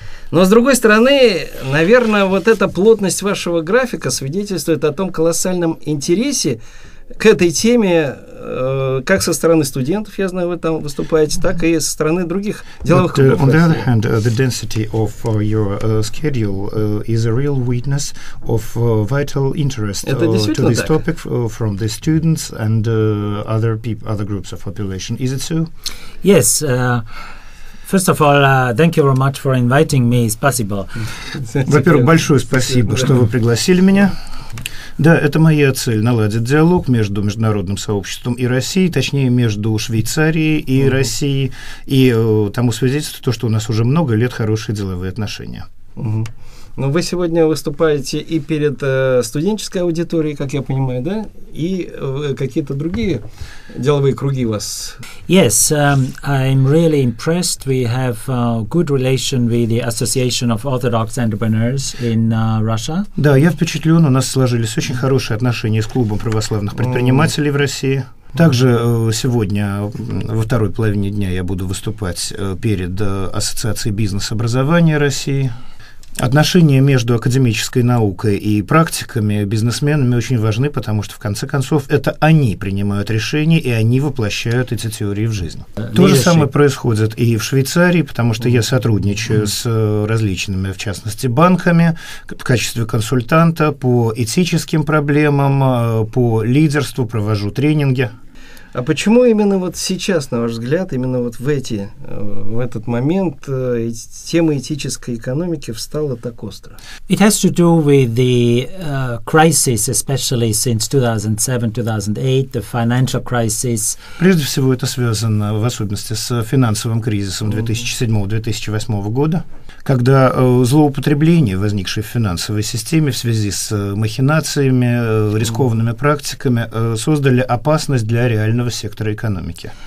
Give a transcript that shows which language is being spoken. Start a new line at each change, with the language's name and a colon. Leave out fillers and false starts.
Russian: Но, с другой стороны, наверное, вот эта плотность вашего графика свидетельствует о том колоссальном интересе к этой теме, как со стороны студентов, я знаю, вы там выступаете, так и со стороны других деловых кругов.
English: On the other hand, the density of your schedule is a real witness of vital interest to this topic from the students and other people, other groups of population. Is it so? Yes. First of all, thank you very much for inviting me.
Russian: Спасибо. Во-первых, большое спасибо, что вы пригласили меня. Да, это моя цель – наладить диалог между международным сообществом и Россией, точнее, между Швейцарией и Россией, и тому свидетельствует то, что у нас уже много лет хорошие деловые отношения. Ну, вы сегодня выступаете и перед студенческой аудиторией, как я понимаю, да, и какие-то другие деловые круги у вас.
English: Yes, I'm really impressed. We have good relation with the Association of Orthodox Entrepreneurs in Russia.
Russian: Да, я впечатлен. У нас сложились очень хорошие отношения с клубом православных предпринимателей в России. Также сегодня, во второй половине дня, я буду выступать перед Ассоциацией бизнес-образования России. Отношения между академической наукой и практиками, бизнесменами очень важны, потому что, в конце концов, это они принимают решения, и они воплощают эти теории в жизнь. То же самое происходит и в Швейцарии, потому что я сотрудничаю с различными, в частности, банками в качестве консультанта по этическим проблемам, по лидерству, провожу тренинги. А почему именно вот сейчас, на ваш взгляд, именно вот в этот момент тема этической экономики встала так остро?
English: It has to do with the crisis, especially since 2007-2008, the financial crisis.
Russian: Прежде всего, это связано, в особенности, с финансовым кризисом 2007-2008 года, когда злоупотребления, возникшие в финансовой системе в связи с махинациями, рискованными практиками, создали опасность для реального сектора экономики.